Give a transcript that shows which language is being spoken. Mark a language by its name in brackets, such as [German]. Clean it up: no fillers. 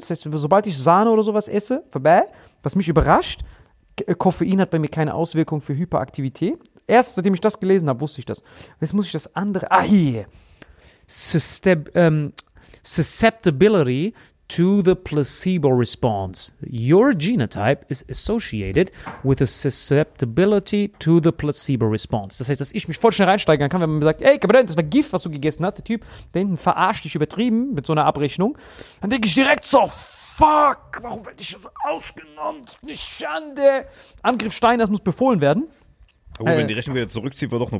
[German] Das heißt, sobald ich Sahne oder sowas esse, vorbei. Was mich überrascht, Koffein hat bei mir keine Auswirkung für Hyperaktivität. Erst seitdem ich das gelesen habe, wusste ich das. Jetzt muss ich das andere... Ah, hier... [English] Susceptibility to the placebo response. Your genotype is associated with a susceptibility to the placebo response. [German] Das heißt, dass ich mich voll schnell reinsteigern kann, wenn man mir sagt, ey, Kapitän, das war Gift, was du gegessen hast. Der Typ, der hinten verarscht dich übertrieben mit so einer Abrechnung. Dann denke ich direkt so, fuck, warum werde ich so ausgenommen? Eine Schande. Angriff Stein, das muss befohlen werden. Aber wenn die Rechnung wieder zurückzieht, war doch nur